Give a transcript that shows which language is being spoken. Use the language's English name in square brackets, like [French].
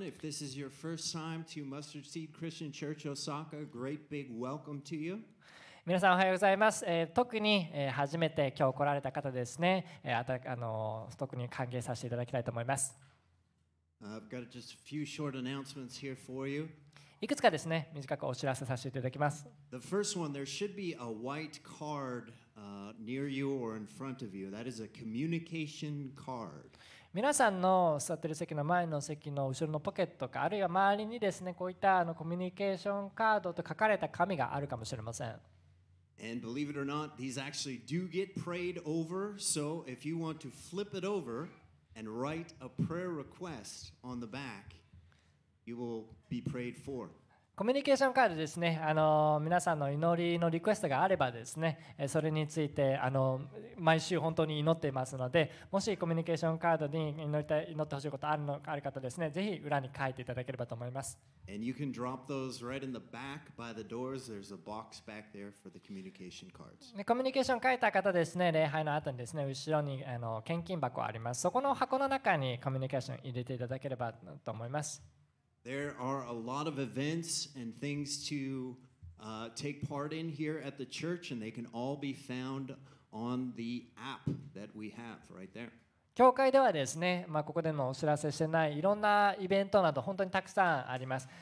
[English] If this is your first time to Mustard Seed Christian Church Osaka, great big welcome to you. [Japanese] 皆さんおはようございます。特に初めて今日来られた方ですね。特に歓迎させていただきたいと思います。 [English] I've got just a few short announcements here for you. [Japanese] いくつかですね、短くお知らせさせていただきます。 [English] The first one, there should be a white card near you or in front of you. That is a communication card. [Japanese] 皆さんの座っている席の前の席の後ろのポケットか、あるいは周りにですね、こういったコミュニケーションカードと書かれた紙があるかもしれません。 [English] And believe it or not, these actually do get prayed over. So if you want to flip it over and write a prayer request on the back, you will be prayed for. [Japanese] コミュニケーションカードですね、皆さんの祈りのリクエストがあればですね、それについて毎週本当に祈っていますので、もしコミュニケーションカードに祈りたい、祈ってほしいことあるのある方ですね、ぜひ裏に書いていただければと思います。 [English] And you can drop those right in the back by the doors. There's a box back there for the communication cards. [Japanese] コミュニケーション書いた方ですね、礼拝の後にですね、後ろに献金箱あります。そこの箱の中にコミュニケーション入れていただければと思います。 [English] There are a lot of events and things to take part in here at the church, and they can all be found on the app that we have right there. [Japanese] 教会ではですね、まあ、ここでもお知らせしてないいろんなイベントなど本当にたくさんあります。